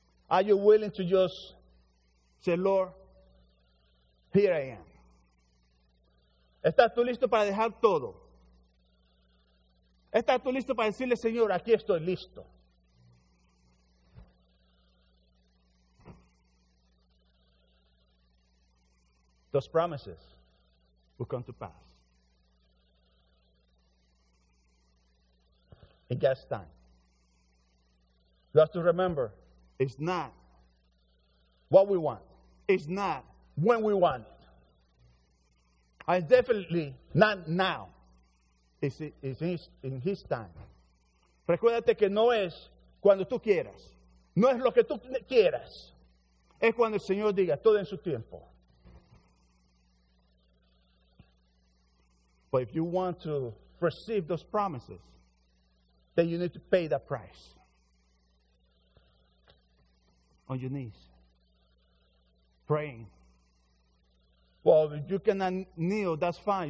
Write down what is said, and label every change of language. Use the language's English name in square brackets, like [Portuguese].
[English] Are you willing to just say, Lord, here I am. [Spanish] ¿Estás tú listo para dejar todo? ¿Estás tú listo para decirle, Señor, aquí estoy listo? [English] Those promises will come to pass. In God's time. You have to remember, it's not what we want. It's not when we want it. It's definitely not now. It's in his time. [Spanish] Recuérdate que no es cuando tú quieras. No es lo que tú quieras. Es cuando el Señor diga todo en su tiempo. [English] But if you want to receive those promises, then you need to pay that price. On your knees, praying. Well, if you cannot kneel, that's fine.